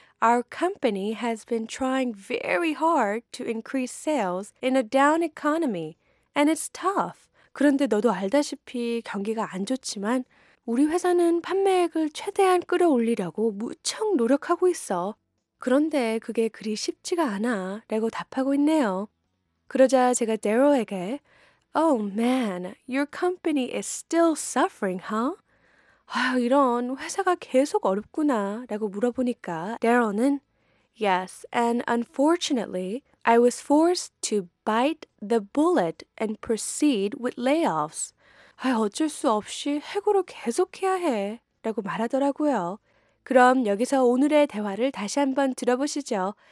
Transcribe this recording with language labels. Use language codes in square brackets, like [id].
[en] Our company has been trying very hard to increase sales in a down economy, and it's tough. [ko] 그런데 너도 알다시피 경기가 안 좋지만 우리 회사는 판매액을 최대한 끌어올리려고 무척 노력하고 있어. 그런데 그게 그리 쉽지가 않아 라고 답하고 있네요. 그러자 제가 데로에게 [en] Oh man, your company is still suffering, huh? [ko] 아, 이런 회사가 계속 어렵구나 라고 물어보니까 데로는 [en] Yes, and unfortunately, I was forced to bite the bullet and proceed with layoffs. [ko] 아, 어쩔 수 없이 해고로 계속해야 해 라고 말하더라고요. 그럼 여기서 오늘의 대화를 다시 한번 들어보시죠.